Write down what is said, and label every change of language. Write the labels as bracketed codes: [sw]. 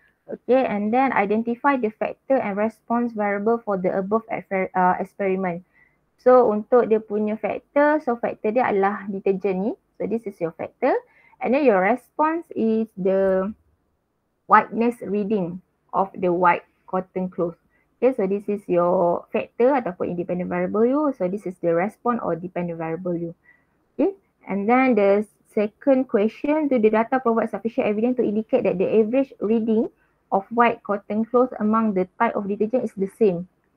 [en] Okay, and then identify the factor and response variable for the above experiment. [ms] So untuk dia punya factor, so factor dia adalah detergent ni. [en] So this is your factor. And then your response is the whiteness reading of the white cotton cloth. Okay, so this is your factor [ms] ataupun [en] independent variable you. So this is the response or dependent variable you. Okay, and then the second question, do the data provide sufficient evidence to indicate that the average reading of white cotton cloth among the type of detergent is the same?